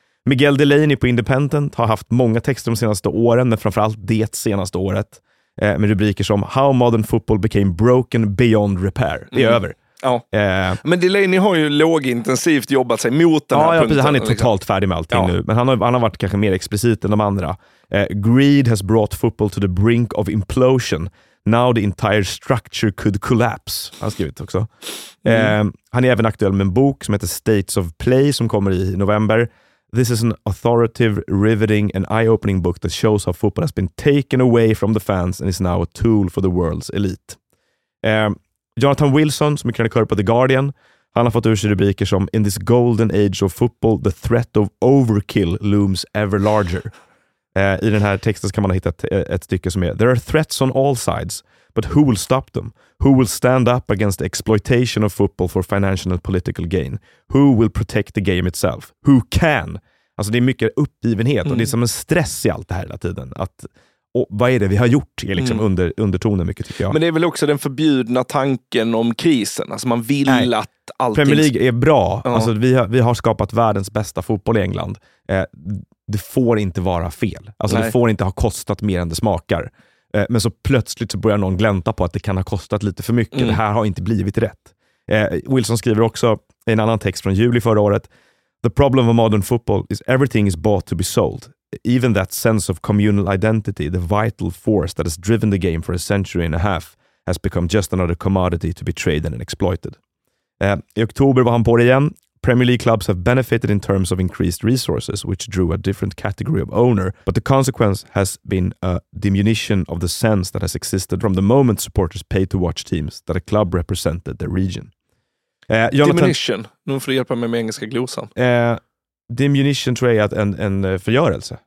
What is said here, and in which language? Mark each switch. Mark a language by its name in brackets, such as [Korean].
[Swedish] Miguel Delaney på Independent har haft många texter de senaste åren, men framförallt det senaste året. Med rubriker som How Modern Football Became Broken Beyond Repair. Det är över. Ja. Men Delaney har ju lågintensivt jobbat sig mot den här punkten. Ja, han är totalt färdig med allting nu. Men han har varit kanske mer explicit än de andra. [English] Greed has brought football to the brink of implosion. Now the entire structure could collapse. [Swedish] Han har skrivit också. Han är även aktuell med en bok som heter States of Play som kommer i november. [English] This is an authoritative, riveting and eye-opening book that shows how football has been taken away from the fans and is now a tool for the world's elite. Jonathan Wilson, [Swedish] som är krönikör på [English] The Guardian, [Swedish] Han har fått ur sig rubriker som [English] "In this golden age of football, the threat of overkill looms ever larger." [Swedish] I den här texten kan man ha hittat ett stycke som är [English] "There are threats on all sides, but who will stop them? Who will stand up against the exploitation of football for financial and political gain? Who will protect the game itself? Who can?" [Swedish] Alltså det är mycket uppgivenhet och det är som en stress i allt det här hela tiden. Att, och vad är det vi har gjort är liksom undertonen mycket, tycker jag. Men det är väl också den förbjudna tanken om krisen. Alltså man vill att allting... Premier League är bra. Ja. Alltså vi har skapat världens bästa fotboll i England. Det får inte vara fel. Alltså det får inte ha kostat mer än det smakar. Men så plötsligt så börjar någon glänta på att det kan ha kostat lite för mycket. Mm. Det här har inte blivit rätt. Wilson skriver också en annan text från juli förra året. [English] "The problem of modern football is everything is bought to be sold. Even that sense of communal identity, the vital force that has driven the game for a century and a half, has become just another commodity to be traded and exploited." [Swedish] I oktober var han på det igen. [English] "Premier League clubs have benefited in terms of increased resources, which drew a different category of owner. But the consequence has been a diminution of the sense that has existed from the moment supporters paid to watch teams that a club represented their region." Diminution. [Swedish] Nu får du hjälpa mig med engelska glosan. Diminution tror jag är en förgörelse.